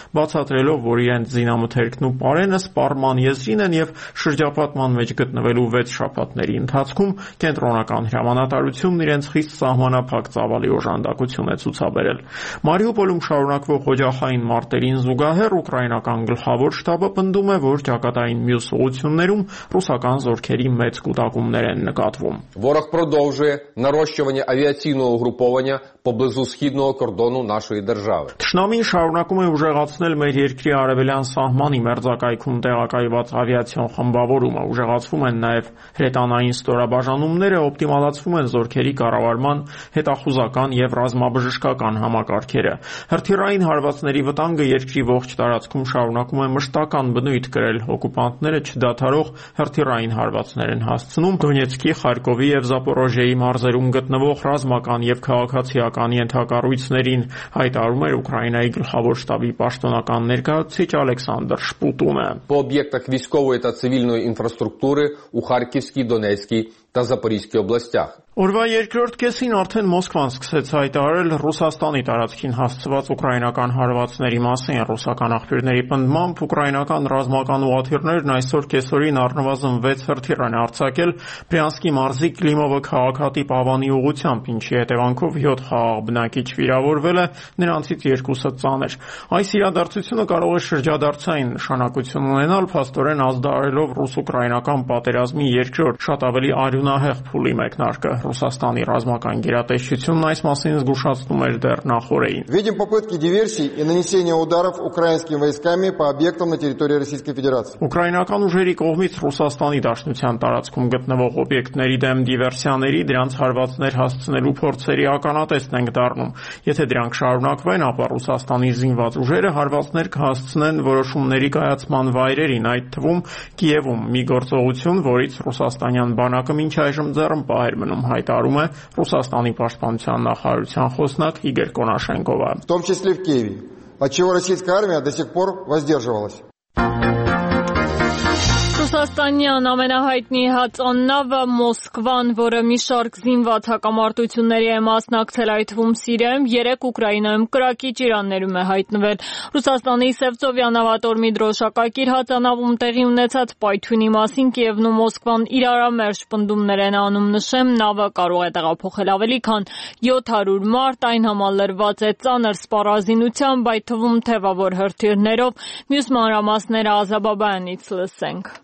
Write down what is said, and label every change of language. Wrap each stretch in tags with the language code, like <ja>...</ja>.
<hy>բացատրելով, որ իրենց զինամթերքն ու պարենը սպառման եզրին են և շրջապատման մեջ գտնվելու 6 շաբաթների ընթացքում կենտրոնական հրամանատարությունն իրենց խիստ սահմանափակ ծավալի օժանդակություն է ցուցաբերել։ Մարիուպոլում շարունակվող օջախային մարտերին զուգահեռ ուկրաինական գլխավոր շտաբը պնդում է, որ ճակատային մյուս ուղություններում ռուսական զորքերի մեծ կուտակումներ են նկատվում։</hy> <uk>Ворог продовжує нарощування авіаційного угруповання поблизу східного кордону нашої держави.</uk> <hy>Ճշնամին շարունակում է ուժեղացնել մեր երկրի արևելյան սահմանի մերձակայքում տեղակայված ավիացիոն խմբավորումը, ուժեղացվում են նաև հրետանային ստորաբաժանումները, օպտիմալացվում են զորքերի կառավարման հետախուզական և ռազմաբժշկական համակարգերը։ Հրթիռային հարվածների վտանգը երկրի ողջ տարածքում շարունակում է մշտական բնույթ կրել, օկուպանտները չդադարող հրթիռային հարվածներ են հասցնում Դոնեցկի, Խարկովի և Զապորոժիայի մարզերում գտնվող ռազմական և քաղաքացիական ենթակառույցներին, հայտարարում էր Ուկրաինայի գլխավոր շտաբի պաշտոնական ներկայացուցիչ Ալեքսանդր Շպուտունը։</hy> <uk>По об'єктах військової та цивільної інфраструктури у Харківській, Донецькій та Запорізькій областях.</uk> <hy>Օրվա երկրորդ կեսին արդեն Մոսկվան սկսեց հայտարարել Ռուսաստանի տարածքին հասցված ուկրաինական հարվածների մասին։ Ռուսական աղբյուրների պնդմամբ ուկրաինական ռազմական ուղղաթիռներն այսօր կեսօրին առնվազն 6 հրթիռ են արձակել Բրյանսկի մարզի Կլիմովը քաղաքատիպ ավանի ուղությամբ, ինչի հետևանքով 7 խաղաղ բնակիչ վիրավորվել է, նրանցից 2-ը ծանր։ Այս իրադարձությունը կարող է շրջադարձային նշանակություն ունենալ, փաստորեն ազդարելով ռուս-ուկրաինական պատերազմի երկրորդ շատ ավելի արյունահեղ փուլի մեկնարկ։ Ռուսաստանի ռազմական գերատեսչությունն այս մասին զգուշացնում էր դեռ նախորդին։</hy> <ru>Видим попытки диверсий и нанесения ударов украинскими войсками по объектам на территории Российской Федерации.</ru> <hy>Ուկրաինական ուժերի կողմից Ռուսաստանի Դաշնության տարածքում գտնվող օբյեկտների դեմ դիվերսիաների, դրանց հարվածներ հասցնելու փորձերի ականատեսն ենք դառնում։ Եթե դրանք շարունակվեն, ապա Ռուսաստանի զինված ուժերը հարվածներ կհասցնեն որոշումների կայացման վայրերին, այդ թվում Կիևում, մի գործողություն, որից ռուսաստանյան բանակը մինչ այժմ ձեռն պահել մնում, հայտարում է Ռուսաստանի պաշտպանության նախարարության խոսնակ Իգոր Կոնաշենկովը։</hy> <ru>В том числе в Киеве, отчего российская армия до сих пор воздерживалась.</ru> <hy>Ռուսաստանյան ամենահայտնի հածաննավը Մոսկվան, որը մի շարք զինված հակամարտությունների է մասնակցել, այդվում Սիրիայում, երեք Ուկրաինայում կրակիչ իրաններում է հայտնվել։ Ռուսաստանի Սևծովյան ավատորմի դրոշակակիր հածանավում տեղի ունեցած պայթյունի մասին Կիևն ու Մոսկվան իրարամերժ պնդումներ են անում, նշեմ, նավը կարող է տեղափոխել ավելի քան 700 մարդ, այն համալրված է ծանր սպառազինությամբ, այդ թվում թևավոր հրթիռներով, մյուս մանրամասները Ազաբաբայանից լսենք։</hy>